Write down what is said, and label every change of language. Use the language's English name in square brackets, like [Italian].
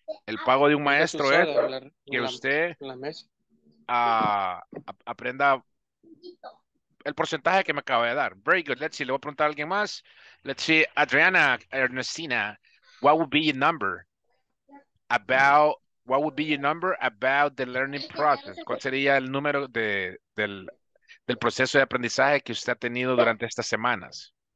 [Spanish] El pago de un maestro es que usted aprenda el porcentaje que me acaba de dar. [English] Very good. Let's see. [Spanish] Le voy a preguntar a alguien más. [English] Let's see. Adriana, Ernestina, what would be your number about, what would be your number about the learning process? [Spanish] ¿Cuál sería el número del proceso de aprendizaje que usted ha tenido durante estas semanas?